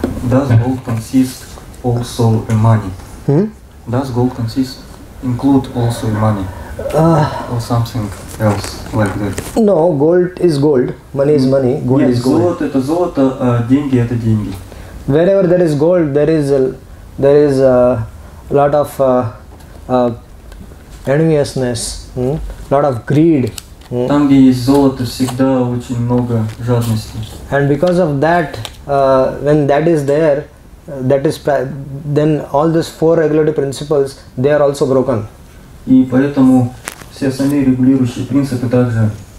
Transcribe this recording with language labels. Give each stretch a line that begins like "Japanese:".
English: Does gold consist also in money? Does gold consist include also in money? Or something else like that? No, gold is gold. Money is money. Gold yes, is gold.
Russian: Золото это золото, а деньги это деньги.
English: Wherever there is gold, there is a lot of enviousness, lot of greed.
Russian: Там, где есть золото, всегда очень много жадности.
English: And because of that, when that is there, that is then all these four regulatory principles, they are also broken.
Russian: И поэтому все остальные регулирующие принципы также.